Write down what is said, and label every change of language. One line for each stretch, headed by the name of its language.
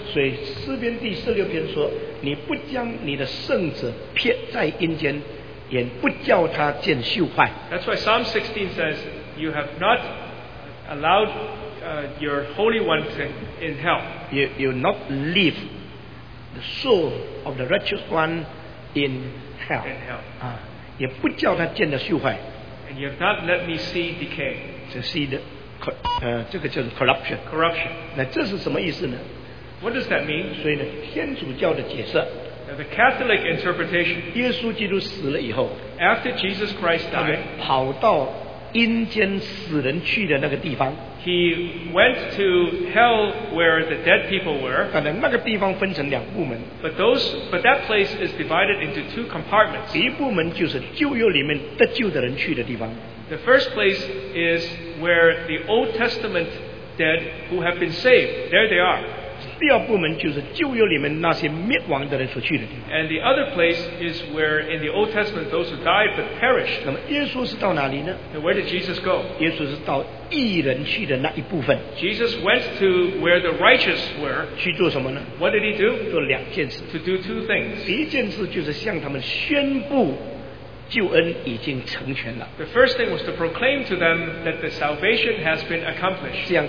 Chinese: 所以诗篇第十六篇说， 你不将你的圣者撇在阴间， 也不叫他见朽坏。
English: That's why Psalm 16 says, you have not allowed your Holy One to in hell. You not leave the soul of the righteous one in hell. In hell.
Chinese: 也不叫他见了朽坏。
English: And you have not let me see decay. To see the
Chinese: 这个叫做
English: corruption. Corruption.
Chinese: 那这是什么意思呢？
English: What does that mean?
Chinese: 所以呢，天主教的解释，
English: The Catholic interpretation,
Chinese: 耶稣基督死了以后,
English: after Jesus Christ died,
Chinese: 跑到阴间死人去的那个地方,
English: he went to hell where the dead people were. But that place is divided into two compartments.
Chinese: 一部门就是旧约里面得救的人去的地方,
English: the first place is where the Old Testament dead who have been saved. There they are.
Chinese: 第二部门就是旧约里面那些灭亡的人所去的地方。
English: And the other place is where in the Old Testament those who died but perished.
Chinese: 那么耶稣是到哪里呢?
English: And where did Jesus go?
Chinese: 耶稣是到义人去的那一部分。
English: Jesus went to where the righteous were.
Chinese: 去做什么呢?
English: What did he do?
Chinese: 做两件事。
English: To do two things.
Chinese: 第一件事就是向他们宣布
English: The first thing was to proclaim to them that the salvation has been accomplished.